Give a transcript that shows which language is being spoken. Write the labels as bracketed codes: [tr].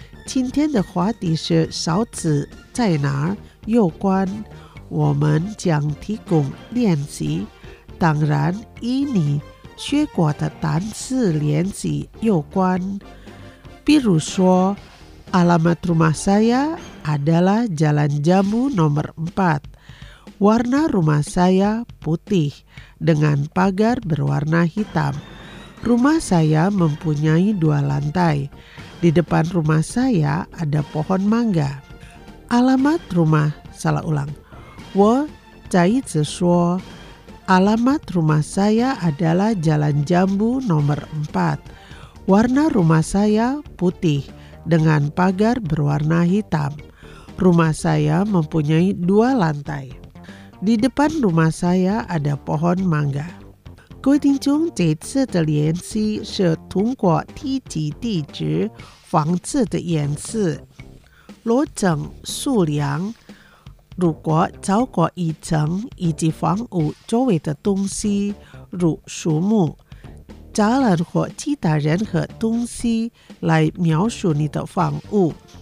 [zh] 今天的话题是勺子在哪儿有关。我们将提供练习。当然与你学过的单词练习有关。比如说 [id] alamat rumah saya adalah jalan jamu nomor 4. Warna rumah saya putih dengan pagar berwarna hitam. Rumah saya mempunyai 2 lantai. Di depan rumah saya ada pohon mangga. Alamat rumah, salah ulang. [zh] 我再次说 [id] alamat rumah saya adalah jalan jambu nomor 4. Warna rumah saya putih dengan pagar berwarna hitam. Rumah saya mempunyai 2 lantai. Di depan rumah saya ada pohon mangga. [zh] 各位听众，这次的练习是通过提及地址、房子的颜色、楼层、数量。如果超过一层以及房屋周围的东西，如树木、栅栏或其他任何东西来描述你的房屋。